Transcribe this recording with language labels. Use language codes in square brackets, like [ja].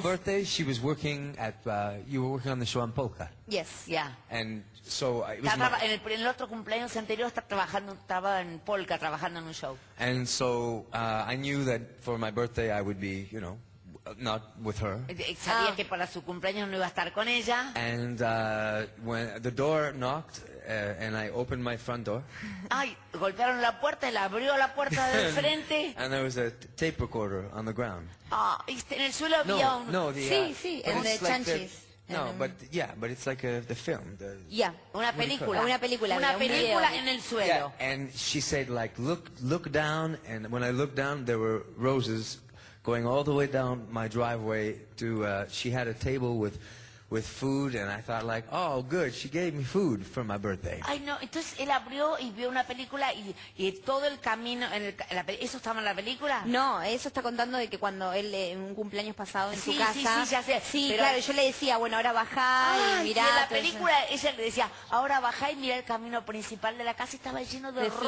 [en] birthday, she was working at, you were working on the show on Polka. Yes, yeah. And so it was [es] En el otro cumpleaños anterior estaba en Polka, trabajando en un show. [en] And so I knew that for my birthday I would be, you know, not with her. [es] Sabía que para su cumpleaños no iba a estar con ella. [en] And when the door knocked, and I opened my front door. [es] Ay, golpearon la puerta, él abrió la puerta del frente. [en] And there was a tape recorder on the ground. [es] Ah, en el suelo había un... [en] No, the, [es] sí, sí, en el [en] like [es] chanchis. [en] No, but yeah, but it's like the film. The, yeah, [es] una película en el suelo. [en] Yeah, and she said, like, look down, and when I looked down, there were roses going all the way down my driveway to, she had a table with food, and I thought, like, oh, good, she gave me food for my birthday. [es] Ay, no, entonces él abrió y vio una película y todo el camino, ¿eso estaba en la película? No, eso está contando de que cuando él, en un cumpleaños pasado en su casa... Sí, sí, ya sé. Sí, pero, claro, yo le decía, bueno, ahora bajá y mirá. Y en la película ella le decía, ahora bajá y mirá el camino principal de la casa, estaba lleno de rosas.